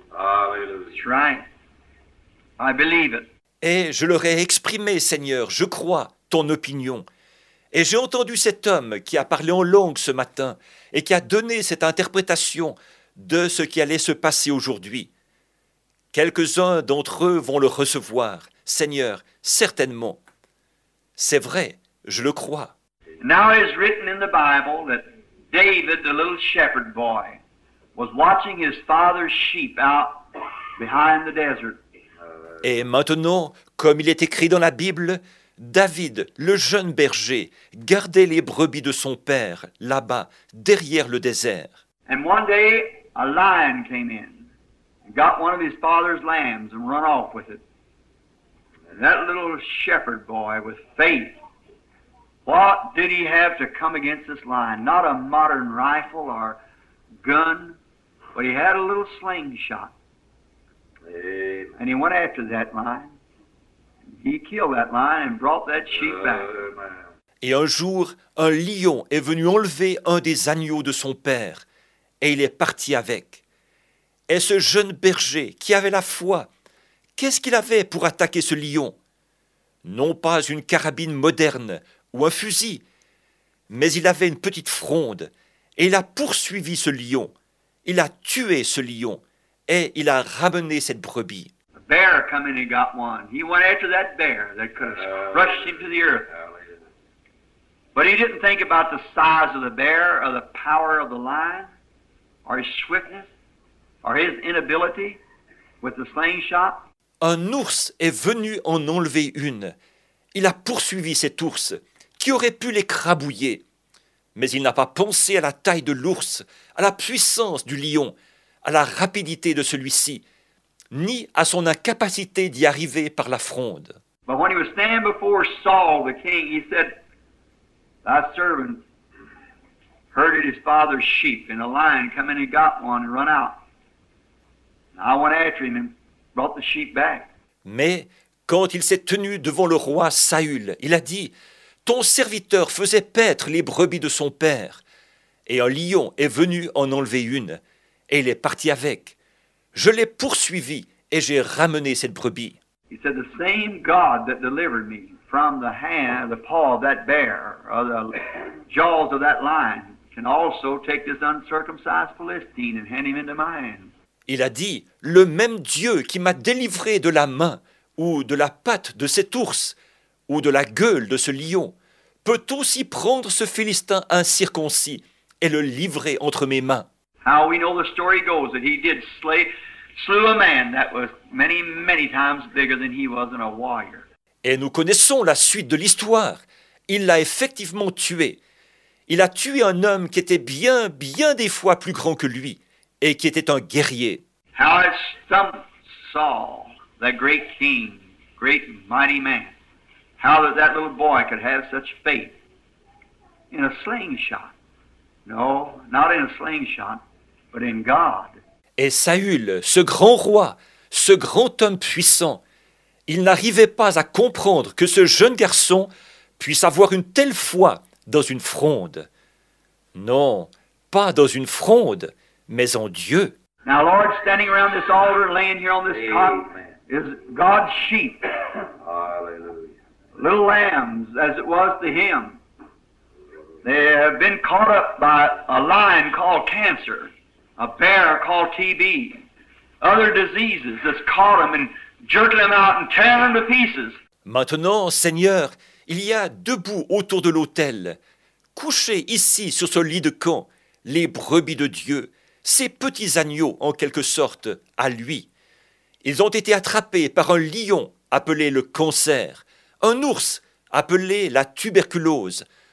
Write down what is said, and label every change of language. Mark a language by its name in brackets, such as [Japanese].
[English] Hallelujah. That's right. I believe it. [French] Et je leur ai exprimé, Seigneur, je crois ton opinion. Et j'ai entendu cet homme qui a parlé en langue ce matin et qui a donné cette interprétation de ce qui allait se passer aujourd'hui. Quelques-uns d'entre eux vont le recevoir, Seigneur, certainement. C'est vrai, je le crois. [English] Now it is written in the Bible that David, the little shepherd boy, was watching his father's sheep out behind the desert. [French] Et maintenant, comme il est écrit dans la Bible, David, le jeune berger, gardait les brebis de son père, là-bas, derrière le désert. [English] And one day, a lion came in, got one of his father's lambs and run off with it. And that little shepherd boy with faith, what did he have to come against this lion? Not a modern rifle or gun, but he had a little slingshot. And he went after that lion. He killed that lion and brought that sheep back. [French] Et un jour, un lion est venu enlever un des agneaux de son père, et il est parti avec. Et ce jeune berger qui avait la foi, qu'est-ce qu'il avait pour attaquer ce lion? Non pas une carabine moderne ou un fusil, mais il avait une petite fronde, et il a poursuivi ce lion. Il a tué ce lion. Et il a ramené cette brebis. [English] A bear come in and got one. He went after that bear that could have crushed him to the earth. But he didn't think about the size of the bear or the power of the lion or his swiftness or his inability with the slingshot. [French] Un ours est venu en enlever une. Il a poursuivi cet ours qui aurait pu l'écrabouiller. Mais il n'a pas pensé à la taille de l'ours, à la puissance du lion, à la rapidité de celui-ci, ni à son incapacité d'y arriver par la fronde. [English] But when he was standing before Saul, the king, he said, "Thy servant herded his father's sheep, and a lion come in and got one and run out. And I went after him and brought the sheep back." [French] Mais quand il s'est tenu devant le roi Saül, il a dit, "Ton serviteur faisait paître les brebis de son père, et un lion est venu en enlever une. Et il est parti avec. Je l'ai poursuivi et j'ai ramené cette brebis." [English] He said, "The same God that delivered me from the hand, the paw of that bear, or the jaws of that lion, can also take this uncircumcised Philistine and hand him into my hand." [French] Il a dit, "Le même Dieu qui m'a délivré de la main ou de la patte de cet ours ou de la gueule de ce lion peut aussi prendre ce Philistin incirconcis et le livrer entre mes mains." [English] How we know the story goes that he did slew a man that was many, many times bigger than he was in a warrior. [French] Et nous connaissons la suite de l'histoire. Il l'a effectivement tué. Il a tué un homme qui était bien, bien des fois plus grand que lui et qui était un guerrier. [English] How it stumped Saul, that great king, great mighty man, how that little boy could have such faith in a slingshot. No, not in a slingshot, but in God. [French] Et Saül, ce grand roi, ce grand homme puissant, il n'arrivait pas à comprendre que ce jeune garçon puisse avoir une telle foi dans une fronde. Non, pas dans une fronde, mais en Dieu. [English] Now, Lord, standing around this altar, laying here on this cot, is God's sheep. Hallelujah. little lambs as it was to him. They have been caught up by a lion called cancer, a bear called TB, other diseases that's caught them and jerked them out and tearing them to pieces. [French] Maintenant, Seigneur, il y a debout autour de l'autel, couchés ici sur ce lit de camp, les brebis de Dieu, ces petits agneaux en quelque sorte à lui. Ils ont été attrapés par un lion appelé le cancer, un ours appelé la tuberculose.